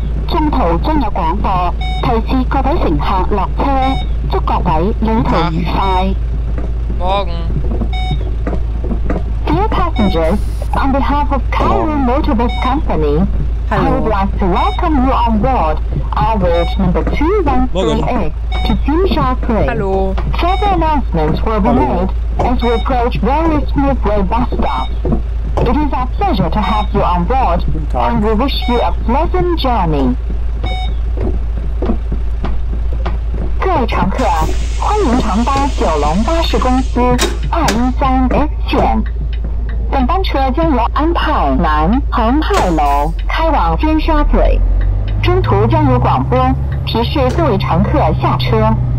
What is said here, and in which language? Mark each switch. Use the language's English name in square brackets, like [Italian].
[Chinese] 中途将有广播提示各位乘客落车，祝各位旅途愉快。 Morgen. [English] Dear passengers, on behalf of Cairo Motorbus Company, I would like to welcome you on board our route number 2138 to Tsim Sha Tsui. Further announcements will be made as we approach various midway bus stops. It is our pleasure to have you on board, and we wish you a pleasant journey. [Chinese] 各位乘客，欢迎乘搭九龙巴士公司213X 线。本班车将由安泰南、横泰楼开往尖沙咀，中途将有广播提示各位乘客下车。